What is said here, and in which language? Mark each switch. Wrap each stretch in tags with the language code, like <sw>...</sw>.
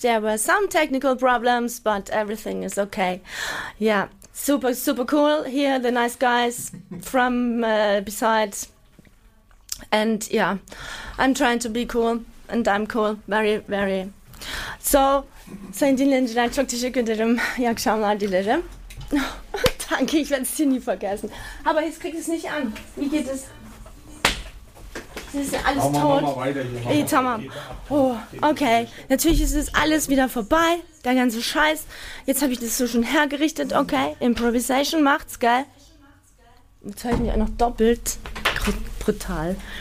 <en>There were some technical problems, but everything is okay. Ja, super, super cool here, the nice guys from beside. And yeah, I'm trying to be cool and I'm cool. Very, very.</en> <tr>Sevgili dinleyiciler, çok teşekkür ederim. İyi akşamlar dilerim.</tr> <de>Danke, ich werde es hier nie vergessen. Aber jetzt kriegt es nicht an. Wie geht es? Das ist ja alles tot.</de> <tr>Ey, Tamam.</tr> <en>Oh, okay.</en> <de>Natürlich ist es alles wieder vorbei. Der ganze Scheiß. Jetzt habe ich das so schon hergerichtet. Okay. Improvisation macht's, gell? Jetzt höre ich mich auch noch doppelt. Brutal.</de>